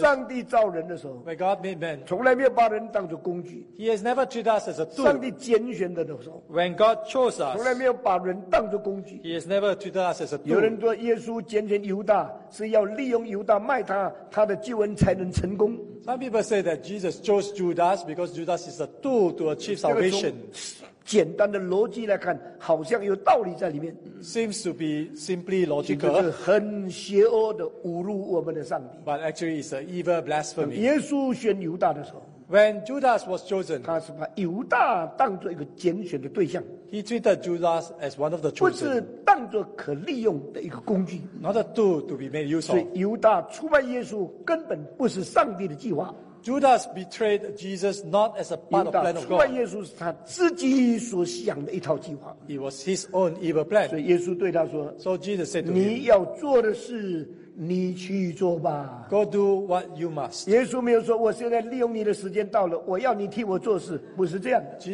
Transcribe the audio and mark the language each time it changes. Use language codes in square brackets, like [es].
[zh] 上帝造人的时候 [en] ，When God made man， [zh] 从来没有把人当作工具。 [en] He has never treated us as a tool. [zh] 上帝拣选的时候 [en] ，When God chose us， [zh] 从来没有把人当作工具。 [en] He has never treated us as a tool. [zh] 有人说耶稣拣选犹大是要利用犹大卖他的救恩才能成功。 [en] Some people say that Jesus chose Judas because Judas is a tool to achieve salvation. [zh] 简单的逻辑来看，好像有道理在里面。 [en] Seems to be simply logical. [zh] 这是很邪恶的侮辱我们的上帝。 [en] But actually, it's an evil blasphemy. [zh] 耶稣选犹大的时候 [en] ，When Judas was chosen， [zh] 他是把犹大当作一个拣选的对象。 [en] He treated Judas as one of the chosen. [zh] 不是当作可利用的一个工具。 [en] Not a tool to be made use of. [zh] 所以犹大出卖耶稣根本不是上帝的计划。 [en] Judas betrayed Jesus not as a part of the plan of God. [zh] 出卖耶稣是他自己所想的一套计划。 [en] It was his own evil plan. [zh] 所以耶稣对他说 [en] ，So Jesus said to him, [zh] 你要做的事你去做吧。 [en] Go do what you must. [zh] 耶稣没有说我现在利用你的时间到了，我要你替我做事，不是这样的。